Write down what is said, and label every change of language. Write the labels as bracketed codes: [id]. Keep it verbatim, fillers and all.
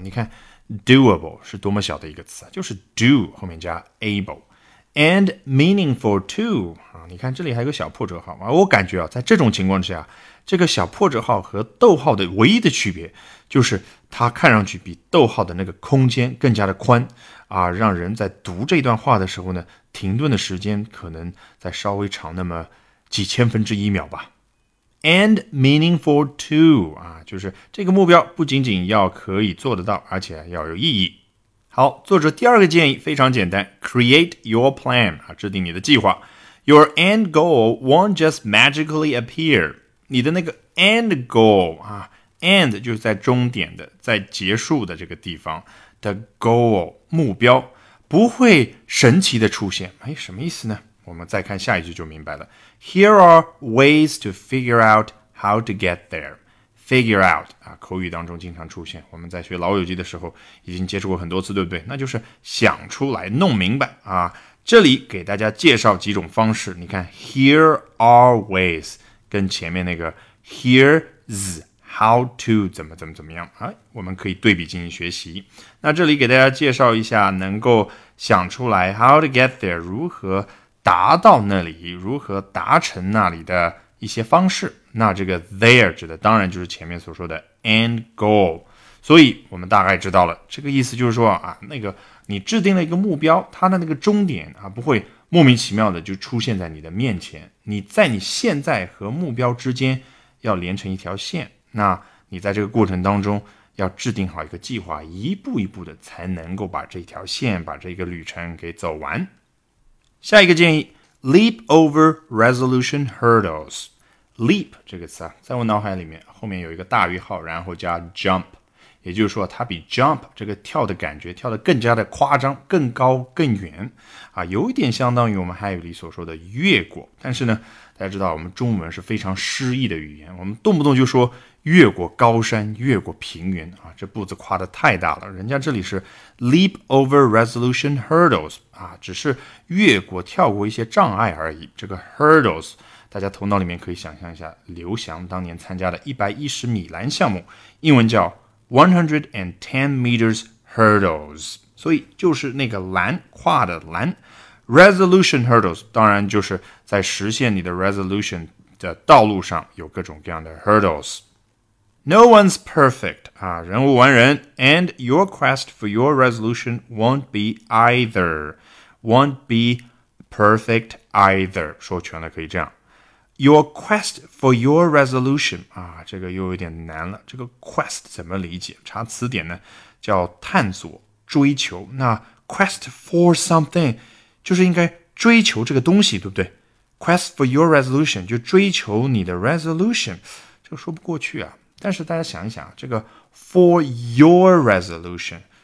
[zh] 你看 doable 是多么小的一个词，就是 do 后面加 able [en] and meaningful too [zh] 啊，你看这里还有个小破折号啊，我感觉啊，在这种情况之下，这个小破折号和逗号的唯一的区别就是它看上去比逗号的那个空间更加的宽啊，让人在读这段话的时候呢，停顿的时间可能再稍微长那么几千分之一秒吧。 [en] And meaningful too [zh] 啊，就是这个目标不仅仅要可以做得到，而且要有意义。好，作者第二个建议非常简单 ， [en] create your plan [zh] 啊，制定你的计划。 [en] Your end goal won't just magically appear。 [zh] 你的那个 end goal 啊 ，end 就是在终点的，在结束的这个地方。 The goal 目标不会神奇的出现，哎，什么意思呢？我们再看下一句就明白了。 [en] Here are ways to figure out how to get there. [zh] Figure out 啊，口语当中经常出现，我们在学老友记的时候已经接触过很多次，对不对？那就是想出来、弄明白啊。这里给大家介绍几种方式，你看 [en] here are ways [zh] 跟前面那个 here's。 How to 怎么怎么怎么样啊？我们可以对比进行学习。那这里给大家介绍一下，能够想出来 [en] how to get there [zh] 如何达到那里，如何达成那里的一些方式。那这个 there 指的当然就是前面所说的 end goal。所以我们大概知道了这个意思，就是说啊，那个你制定了一个目标，它的那个终点啊不会莫名其妙的就出现在你的面前。你在你现在和目标之间要连成一条线。那你在这个过程当中要制定好一个计划，一步一步的才能够把这条线，把这个旅程给走完。下一个建议 [en] leap over resolution hurdles。 [zh] leap 这个词啊，在我脑海里面后面有一个大于号，然后加 jump， 也就是说它比 jump 这个跳的感觉跳得更加的夸张，更高更远啊，有一点相当于我们汉语里所说的越过。但是呢大家知道我们中文是非常诗意的语言，我们动不动就说越过高山，越过平原啊，这步子跨得太大了。人家这里是 [en] leap over resolution hurdles [zh] 啊，只是越过跳过一些障碍而已。这个 hurdles 大家头脑里面可以想象一下，刘翔当年参加的一百一十米栏项目，英文叫 [en] one hundred ten meters hurdles， [zh] 所以就是那个栏，跨的栏。 [en] Resolution hurdles [zh] 当然就是在实现你的 resolution 的道路上有各种各样的 hurdles。 [en] No one's perfect 啊， [zh] 人无完人 [en] and your quest for your resolution won't be either won't be perfect either， [zh] 说全了可以这样 [en] your quest for your resolution 啊， [zh] 这个又有点难了。这个 quest 怎么理解？查词典呢叫探索追求，那 [en] quest for something [zh] 就是应该追求这个东西，对不对？ [en] Quest for your resolution [zh] 就追求你的 resolution， 这个说不过去啊。但是大家想一想，这个 [en] for your resolution